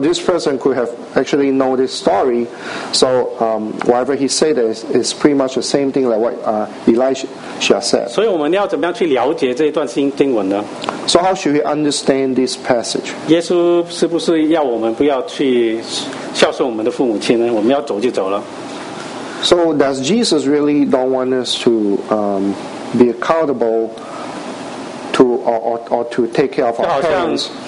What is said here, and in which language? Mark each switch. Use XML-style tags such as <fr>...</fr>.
<en>this person could have actually know this story. So whatever he said is pretty much the same thing like what Elisha said.</en> <zh>所以我们要怎么样去了解这段经文呢？</zh> <en>So how should we understand this passage?</en> <zh>耶稣是不是要我们不要去孝顺我们的父母亲呢？我们要走就走了。</zh> <en>So does Jesus really don't want us to be accountable or to take care of our parents?</en>